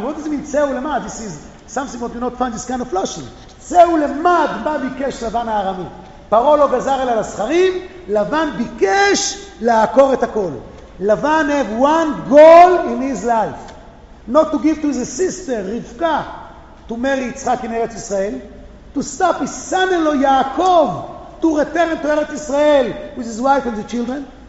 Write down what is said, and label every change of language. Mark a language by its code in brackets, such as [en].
[en] What does it mean [he] צאו למד? [en] This is something what you not find this kind of flashing. [he] צאו למד, מה ביקש לבן הארמי? פרעה לא גזר אלא לסכרים, לבן ביקש לעקור את הכל. [en] לבן have one goal in his life. Not to give to his sister, רבקה, to marry יצחק in ארץ ישראל, to stop his son in law יעקב, to return to ארץ ישראל with his wife and the children.